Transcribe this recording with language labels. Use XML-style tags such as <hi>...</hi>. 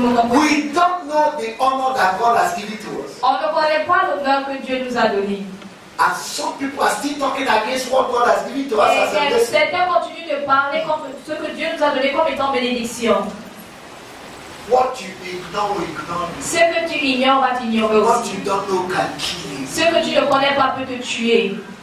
<en>We don't know the honor that God has given to us.</en> <fr>On ne connaît pas l'honneur que Dieu nous a donné.</fr> <en>And some people are still talking against what God has given to us as a blessing.</en> <fr>Et certains continuent de parler contre ce que Dieu nous a donné comme étant bénédiction.</fr> <en>What you ignore will ignore you.</en> <fr>Ce que tu ignores va t'ignorer aussi.</fr> <en>What you don't know can kill you.</en> <fr>Ce que tu ne connais pas peut te tuer.</fr>